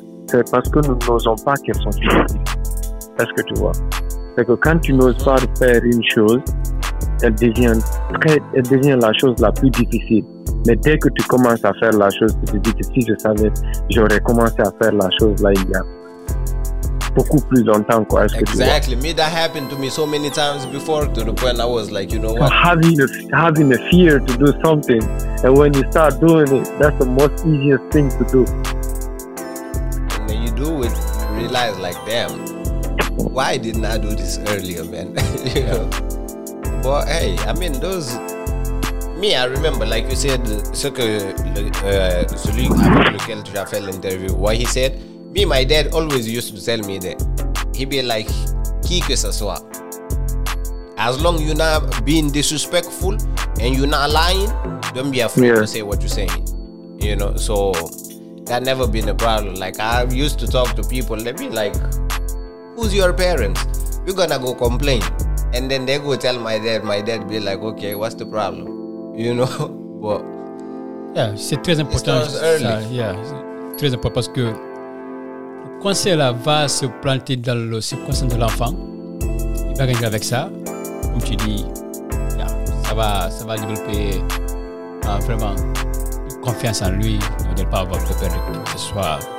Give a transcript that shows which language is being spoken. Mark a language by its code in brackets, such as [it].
[fr] C'est parce que nous n'osons pas qu'elles sont difficiles. Est-ce que tu vois? C'est que quand tu n'oses pas faire une chose, elle devient la chose la plus difficile. Mais dès que tu commences à faire la chose, tu te dis que si je savais, j'aurais commencé à faire la chose là il y a beaucoup plus longtemps, quoi. Est-ce [en] exactly. [fr] Que tu [en] Me, that happened to me so many times before, to the point I was like, you know what? Having a fear to do something, and when you start doing it, that's the most easiest thing to do. And when you do it, you realize like, damn, why didn't I do this earlier, man? You know? But hey, I mean, I remember, like you said, celui avec lequel tu as fait l'interview, what he said, me, my dad always used to tell me that. He'd be like, [fr] qui que ce soit, [en] as long you're not being disrespectful and you're not lying, don't be afraid to say what you're saying. You know, so that never been a problem. Like, I used to talk to people, they'd be like, who's your parents? You're gonna go complain. And then they go tell my dad be like, okay, what's the problem? You know? But [fr] yeah, c'est très important. [en] It starts early. [fr] Ça, yeah, c'est très important parce que quand cela va se planter dans le subconscient de l'enfant, il va gagner avec ça. Comme tu dis, yeah, ça va développer vraiment confiance en lui, ne pas avoir de peur que ce soit.